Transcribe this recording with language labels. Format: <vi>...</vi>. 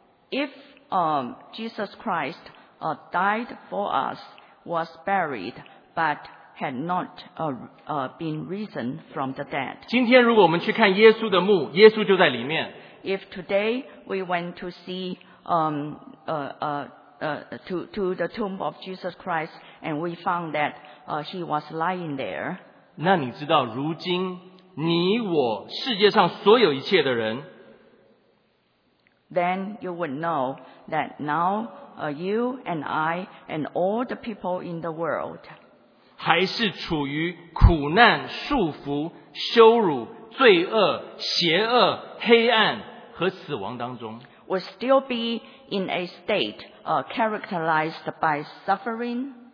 <en>If Jesus Christ died for us, was buried, but had not been risen from the dead.</en> <zh>今天如果我们去看耶稣的墓，耶稣就在里面。</zh> <en>If today we went to see to the tomb of Jesus Christ, and we found that he was lying there.</en> <zh>那你知道，如今你我世界上所有一切的人，</zh> <en>then you would know that now you and I and all the people in the world</en> <zh>还是处于苦难、束缚、羞辱、罪恶、邪恶、黑暗和死亡当中。</zh> <en>Would still be in a state characterized by suffering.</en>